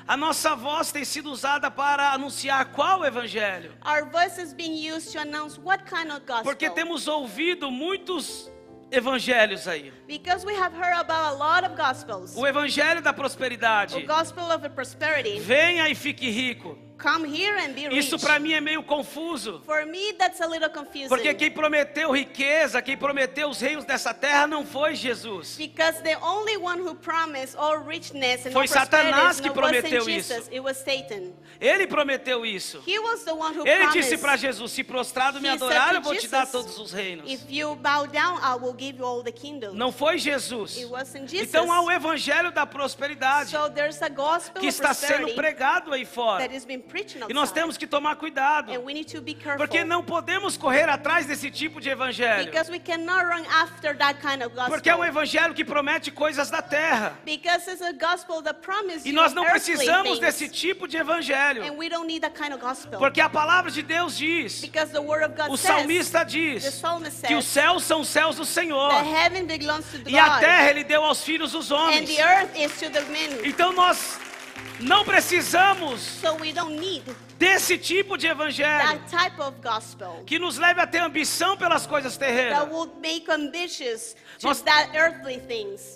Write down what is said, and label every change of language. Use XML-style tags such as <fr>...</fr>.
<pt>A nossa voz tem sido usada para anunciar qual evangelho?</pt> <en>Our voice is being used to what kind of gospel?</en> <pt>Porque temos ouvido muitos evangelhos aí.</pt> <en>Because we have heard about a lot of gospels.</en> <pt>O evangelho da prosperidade.</pt> <en>The gospel of the prosperity.</en> <pt>Venha e fique rico.</pt> <en>Come here and be rich.</en> <pt>Isso para mim é meio confuso.</pt> <en>For me, that's a little confusing.</en> <pt>Porque quem prometeu riqueza, quem prometeu os reinos dessa terra não foi Jesus.</pt> <en>Because the only one who promised all richness and</en> <pt>foi</pt> <en>all prosperity</en> <pt>Satanás que prometeu</pt> <en>wasn't</en> <pt>isso.</pt> <en>Jesus, it was Satan.</en> <pt>Ele prometeu isso.</pt> <en>He was the one who</en> <pt>ele</pt> <en>promised.</en> <pt>Ele disse para Jesus, se prostrado me adorar, eu vou te dar todos os reinos.</pt> <en>If you bow down, I will give you all the kingdoms.</en> <pt>Não foi Jesus.</pt> <en>It wasn't Jesus.</en> <pt>Então há o evangelho da prosperidade</pt> <en>so there's a gospel</en> <pt>que está sendo pregado aí fora.</pt> <en>That is being</en> <pt>E nós temos que tomar cuidado.</pt> <en>And we need to be careful.</en> <pt>Porque não podemos correr atrás desse tipo de evangelho.</pt> <en>Because we cannot run after that kind of gospel.</en> <pt>Porque é um evangelho que promete coisas da terra.</pt> <en>Because it's a gospel that promises.</en> <pt>E nós não precisamos desse tipo de evangelho.</pt> <en>And we don't need that kind of gospel.</en> <pt>Porque a palavra de Deus diz.</pt> <en>Because the word of God says.</en> <pt>O salmista diz.</pt> <en>The psalmist says.</en> <pt>Que os céus são os céus do Senhor.</pt> <en>That heaven belongs to God.</en> <pt>E a terra ele deu aos filhos dos homens.</pt> <en>And the earth is to the men.</en> <pt>Então nós não precisamos</pt> <en>so we don't need</en> <pt>desse tipo de evangelho</pt> <en>that type of gospel,</en> <pt>que nos leve a ter ambição pelas coisas terrenas.</pt> <en>That would make ambitious to that earthly things.</en>